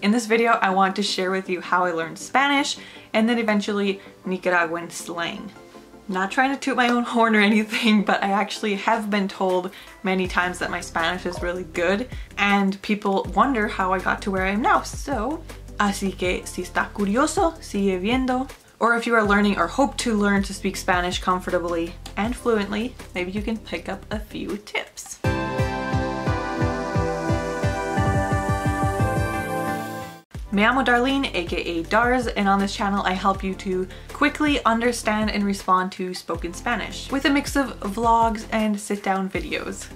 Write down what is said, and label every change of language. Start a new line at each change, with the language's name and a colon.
English: In this video, I want to share with you how I learned Spanish and then eventually Nicaraguan slang. Not trying to toot my own horn or anything, but I actually have been told many times that my Spanish is really good and people wonder how I got to where I am now.
Spanish: So, así que si está curioso, sigue viendo.
English: Or if you are learning or hope to learn to speak Spanish comfortably and fluently, maybe you can pick up a few tips.
Spanish: Me llamo
English: Darlene, aka Darz, and on this channel I help you to quickly understand and respond to spoken Spanish with a mix of vlogs and sit-down videos.